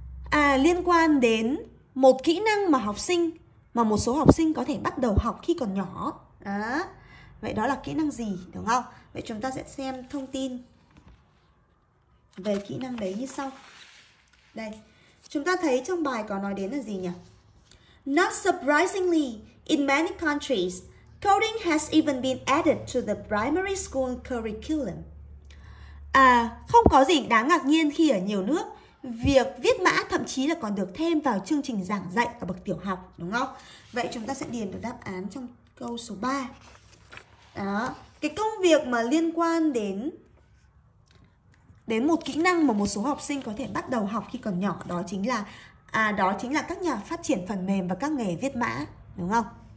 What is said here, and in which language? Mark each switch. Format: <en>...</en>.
<vi>À, liên quan đến một kỹ năng mà học sinh, mà một số học sinh có thể bắt đầu học khi còn nhỏ. Đó. Vậy đó là kỹ năng gì, đúng không? Vậy chúng ta sẽ xem thông tin về kỹ năng đấy như sau. Đây, chúng ta thấy trong bài có nói đến là gì nhỉ?</vi> <en>Not surprisingly, in many countries, coding has even been added to the primary school curriculum.</en> <vi>À, không có gì đáng ngạc nhiên khi ở nhiều nước, việc viết mã thậm chí là còn được thêm vào chương trình giảng dạy ở bậc tiểu học, đúng không? Vậy chúng ta sẽ điền được đáp án trong câu số 3. Đó, cái công việc mà liên quan đến một kỹ năng mà một số học sinh có thể bắt đầu học khi còn nhỏ, đó chính là các nhà phát triển phần mềm và các nghề viết mã, đúng không?</vi>